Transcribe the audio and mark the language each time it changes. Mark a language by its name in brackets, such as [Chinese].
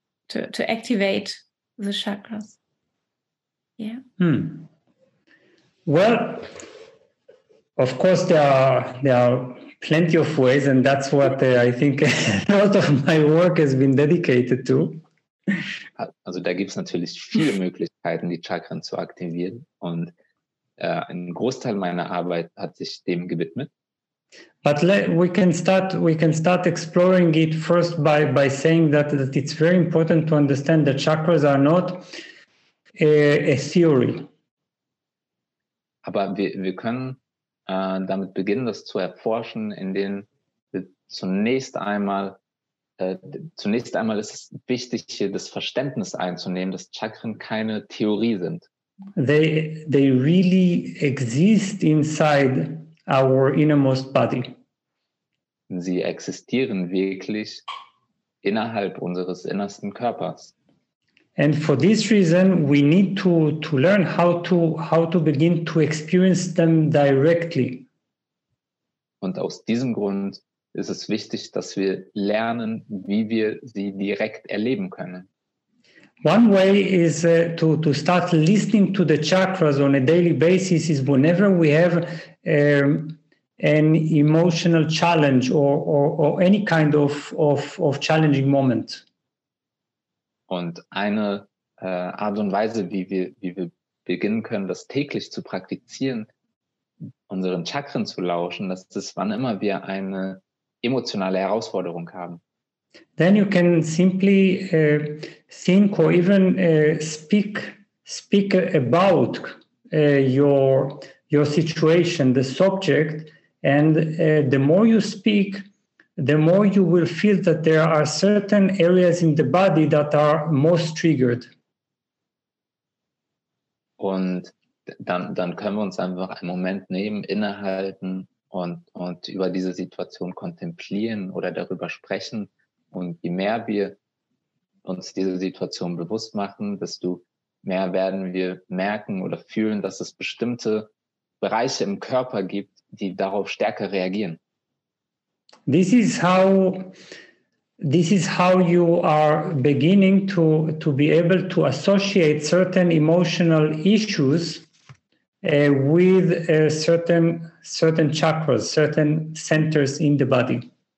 [English] To activate the chakras. Yeah. Well, of course, there are plenty of ways, and that's what I think a lot of my work has been dedicated to. [German] Also, da gibt's natürlich viele Möglichkeiten, die Chakren zu aktivieren, und ein Großteil meiner Arbeit hat sich dem gewidmet. [English] But we can start exploring it first by saying that it's very important to understand that chakras are not a theory. [German] Aber wir können damit beginnen, das zu erforschen, indem wir zunächst einmal ist es wichtig, hier das Verständnis einzunehmen, dass Chakren keine Theorie sind. [English] They really exist inside our innermost body. [German] Sie existieren wirklich innerhalb unseres innersten Körpers. [English] And for this reason, we need to learn how to begin to experience them directly. [German] Und aus diesem Grund ist es wichtig, dass wir lernen, wie wir sie direkt erleben können. [English] One way is to start listening to the chakras on a daily basis is whenever we have an emotional challenge or any kind of challenging moment. [German] Und eine Art und Weise, wie wir beginnen können, das täglich zu praktizieren, unseren Chakren zu lauschen, das ist, wann immer wir eine emotionale Herausforderung haben. [English] Then you can simply think or even speak about your situation, the subject, and the more you speak, the more you will feel that there are certain areas in the body that are most triggered. [German] Und dann können wir uns einfach einen Moment nehmen, innehalten und über diese Situation kontemplieren oder darüber sprechen. Und je mehr wir uns diese Situation bewusst machen, desto mehr werden wir merken oder fühlen, dass es bestimmte Bereiche im Körper gibt, die darauf stärker reagieren. [English] This is how you are beginning to be able to associate certain emotional issues with certain chakras, certain centers in the body.